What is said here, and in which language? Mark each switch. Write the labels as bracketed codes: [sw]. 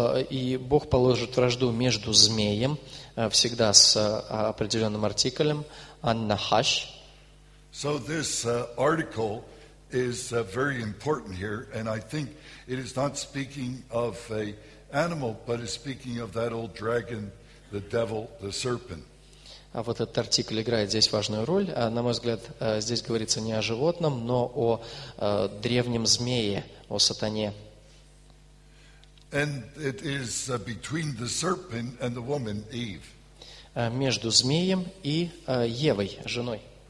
[ru] И Бог положит вражду между змеем, всегда с определенным артиклем, ханнахаш. [en] So this article is very important here, and I think it is not speaking of a animal, but is speaking of that old dragon, the devil, the serpent. [ru] А вот этот артикль играет здесь важную роль. На мой взгляд, здесь говорится не о животном, но о древнем змее, о сатане. [en] And it is between the serpent and the woman, Eve. [ru] Между змеем и Евой, женой.